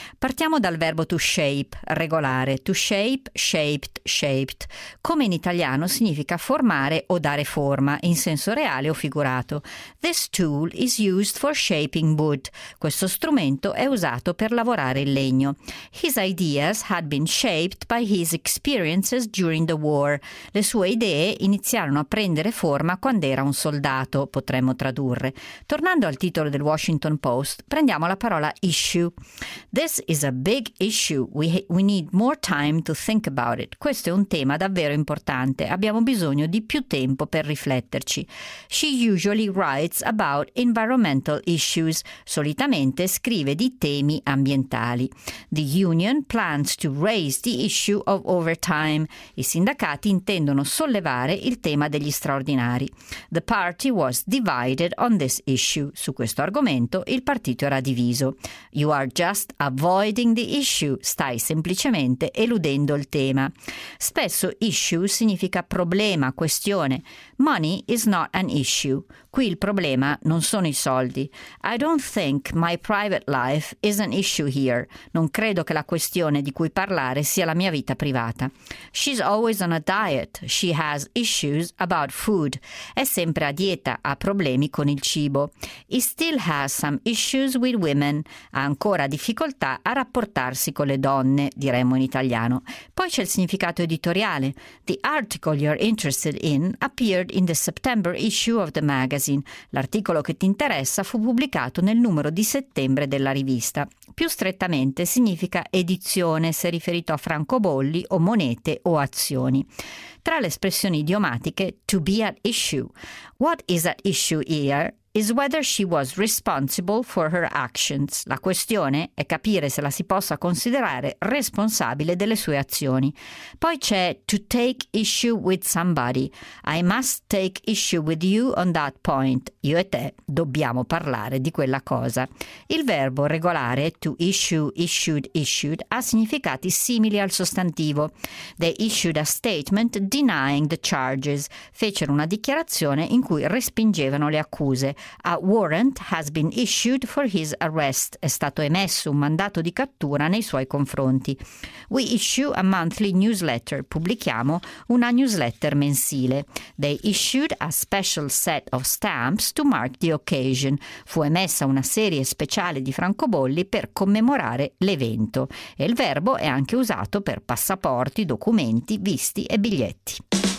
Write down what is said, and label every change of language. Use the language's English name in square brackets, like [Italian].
[English] Partiamo dal verbo to shape, regolare. To shape, shaped, shaped. [Italian] Come in italiano significa formare o dare forma, in senso reale o figurato. This tool is used for shaping wood. Questo strumento è usato per lavorare il legno. [English] His ideas had been shaped by his experiences during the war. [Italian] Le sue idee iniziarono a prendere forma quando era un soldato, potremmo tradurre. Tornando al titolo del Washington Post, prendiamo la parola issue. [English] This is a big issue. We need more time to think about it. [Italian] Questo è un tema davvero importante. Abbiamo bisogno di più tempo per rifletterci. [English] She usually writes about environmental issues. [Italian] Solitamente scrive di temi ambientali. [English] The union plans to raise the issue of overtime. [Italian] I sindacati intendono sollevare il tema degli straordinari. [English] The party was divided on this issue. [Italian] Su questo argomento il partito era diviso. [English] You are just avoiding the issue. [Italian] Stai semplicemente eludendo il tema. Spesso issue significa problema, questione. [English] Money is not an issue. [Italian] Qui il problema non sono i soldi. [English] I don't think my private life is an issue here. [Italian] Non credo che la questione di cui parlare sia la mia vita privata. [English] She's always on a diet. She has issues about food. [Italian] È sempre a dieta, ha problemi con il cibo. [English] He still has some issues with women. [Italian] Ha ancora difficoltà a rapportarsi con le donne, diremmo in italiano. Poi c'è il significato editoriale. [English] The article you're interested in appeared in the September issue of the magazine. [Italian] L'articolo che ti interessa fu pubblicato nel numero di settembre della rivista. Più strettamente significa edizione se riferito a francobolli o monete o azioni. Tra le espressioni idiomatiche, [English] to be at issue. What is at issue here is whether she was responsible for her actions. [Italian] La questione è capire se la si possa considerare responsabile delle sue azioni. Poi c'è [English] to take issue with somebody. I must take issue with you on that point. [Italian] Io e te dobbiamo parlare di quella cosa. Il verbo regolare to issue, issued, issued ha significati simili al sostantivo. [English] They issued a statement denying the charges. [Italian] Fecero una dichiarazione in cui respingevano le accuse. [English] A warrant has been issued for his arrest. [Italian] È stato emesso un mandato di cattura nei suoi confronti. [English] We issue a monthly newsletter. [Italian] Pubblichiamo una newsletter mensile. [English] They issued a special set of stamps to mark the occasion. [Italian] Fu emessa una serie speciale di francobolli per commemorare l'evento. E il verbo è anche usato per passaporti, documenti, visti e biglietti.